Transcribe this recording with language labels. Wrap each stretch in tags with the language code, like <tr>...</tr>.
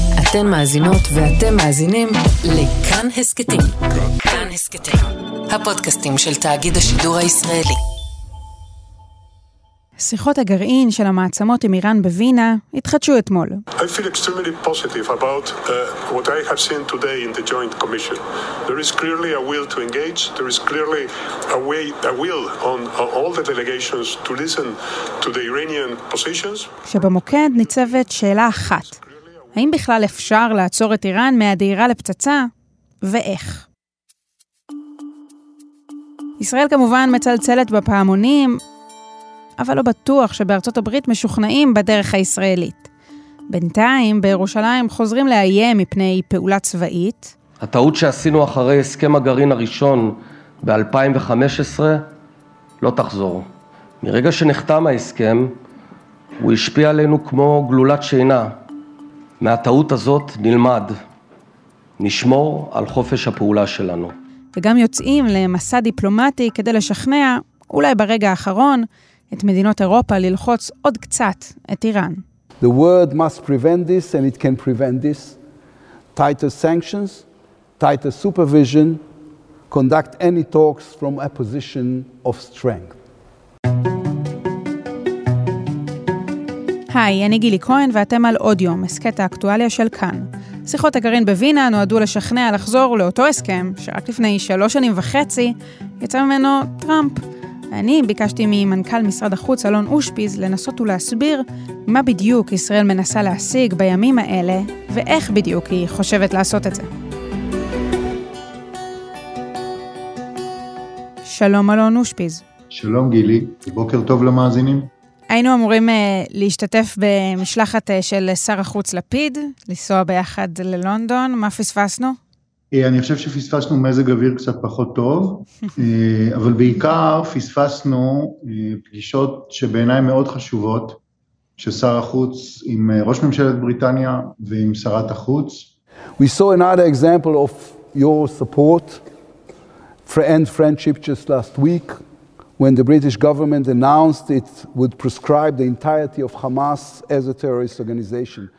<he>אתן מאזינות ואתם מאזינים לכאן הסקטים. כאן הסקטים. הפודקאסטים של תאגיד השידור הישראלי. שיחות הגרעין של המעצמות עם איראן בווינה התחדשו אתמול.</he> <en>I feel extremely positive about what I have seen today in the joint commission. There is clearly a will to engage. There is clearly a will on all the delegations to listen to the Iranian positions.</en> <he>שבמוקד ניצבת שאלה אחת. האם בכלל אפשר לעצור את איראן מהדהירה לפצצה? ואיך? ישראל כמובן מצלצלת בפעמונים, אבל לא בטוח שבארצות הברית משוכנעים בדרך הישראלית. בינתיים, בירושלים חוזרים לאיים מפני פעולה צבאית. הטעות שעשינו אחרי הסכם הגרעין הראשון ב-2015 לא תחזור. מרגע שנחתם ההסכם, הוא השפיע עלינו כמו גלולת שינה. מהטעות הזאת נלמד, נשמור על חופש הפעולה שלנו. וגם יוצאים למסע דיפלומטי כדי לשכנע, אולי ברגע האחרון, את מדינות אירופה ללחוץ עוד קצת את איראן.</he> <en>The world must prevent this and it can prevent this. Tighter sanctions, tighter supervision, conduct any talks from a position of strength.</en> <he>היי, אני גילי כהן ואתם על עוד יום, הסקט האקטואליה של כאן. שיחות הגרעין בווינה נועדו לשכנע לחזור לאותו הסכם שרק לפני 3.5 שנים יצא ממנו טראמפ. אני ביקשתי ממנכ״ל משרד החוץ אלון אושפיז לנסות ולהסביר מה בדיוק ישראל מנסה להשיג בימים האלה ואיך בדיוק היא חושבת לעשות את זה. שלום אלון אושפיז. שלום גילי, בוקר טוב למאזינים. היינו אמורים להשתתף במשלחת של שר החוץ לפיד, לנסוע ביחד ללונדון, מה פספסנו? אני חושב שפספסנו מזג אוויר קצת פחות טוב, אבל בעיקר פספסנו פגישות שבעיניי מאוד חשובות, ששר החוץ עם ראש ממשלת בריטניה ועם שרת החוץ.</he> <en>We saw another example of your support and friendship just last week, when the British government announced it would proscribe the entirety of Hamas as a terrorist organization.</en>